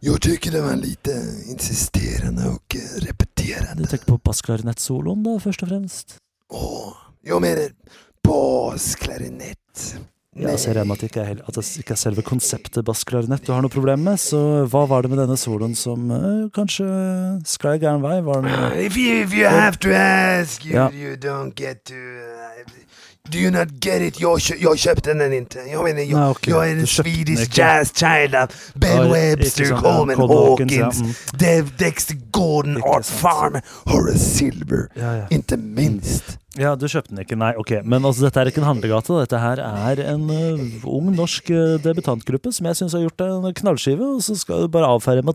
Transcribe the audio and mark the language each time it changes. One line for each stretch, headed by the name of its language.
Swedish: Jag tycker det var lite insisterande och repeterande. Du tänker på bassklarinett-solon då först och främst? Åh, jag menar bassklarinett. Jag ser redan att det inte är själva konceptet bassklarinett du har något problem med. Så vad var det med denna solon som kanske skrev gärna vad var det?
English: If you have to ask, you don't get to. Do you not get it?
Swedish: Jag köpte den inte. Jag menar, jag är en
English: Swedish jazz child
Swedish: av Ben Webster, Coleman Hawkins, Dave Dexter Gordon, Art Farmer, Horace Silver, inte minst. Ja, du köpte den inte, nej, okej. Okay. Men alltså, detta är inte en handelgata, detta här är en ung norsk debutantgruppe som jag syns har gjort en knallskiva och så ska du bara avfärda med att